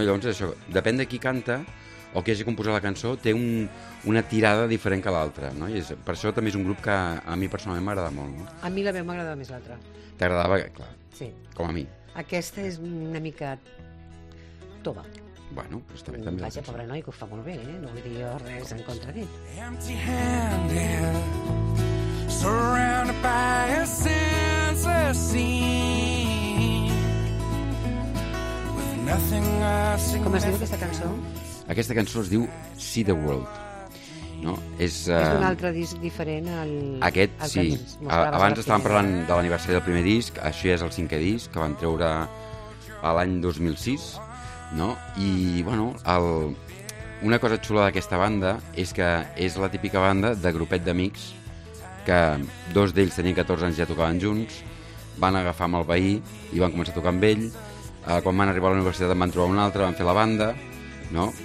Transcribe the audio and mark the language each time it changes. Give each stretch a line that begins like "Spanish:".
Catalan: I llavors això, depèn de qui canta o qui hagi composat la cançó, té una tirada diferent que l'altra. No? I és, per això també és un grup que a mi personalment m'agrada molt. No? A mi la veu m'agradava més l'altra. T'agradava, clar. Sí. Com a mi. Aquesta és una mica tova. Bueno, pues també, també. Vaja, pobre noi, que ho fa molt bé, eh? No vull dir jo res en contra d'ell.
English: Empty handed, surrounded by a senseless scene, with nothing I've seen.
Catalan: Com es diu aquesta cançó? Aquesta cançó es diu See the World. No? És un altre disc diferent al... Aquest, al sí. Abans estàvem parlant de l'aniversari del primer disc, això ja és el 5è disc, que van treure l'any 2006... No? I bueno, una cosa xula d'aquesta banda és que és la típica banda de grupet d'amics que dos d'ells tenien 14 anys i ja tocaven junts, van agafar amb el veí i van començar a tocar amb ell, quan van arribar a la universitat en van trobar un altre, van fer la banda, no?